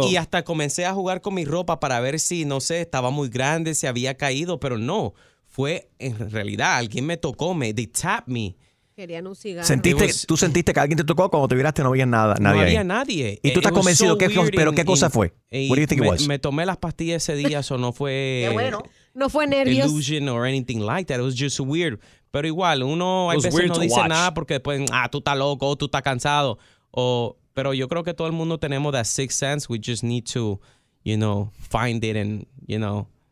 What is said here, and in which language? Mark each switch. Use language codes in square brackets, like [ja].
[es] Y hasta comencé a jugar con mi ropa para ver si, no sé, estaba muy grande, si había caído, pero no. Fue en realidad, alguien me tocó, [en] they tapped me. [es] Querían un cigarro. ¿Tú sentiste que alguien te tocó? Cuando te viraste no había nada, nadie. No había ahí. Nadie. ¿Y tú estás convencido? ¿Qué cosa fue? Me tomé las pastillas ese día, eso no fue... Qué bueno. No fue nervios. [en] Illusion or anything like that. It was just weird. [es] Pero igual, uno a veces no dice nada porque después, tú estás loco, tú estás cansado. Pero yo creo que todo el mundo tenemos [en] that sixth sense. We just need to, you know, find it and, you know...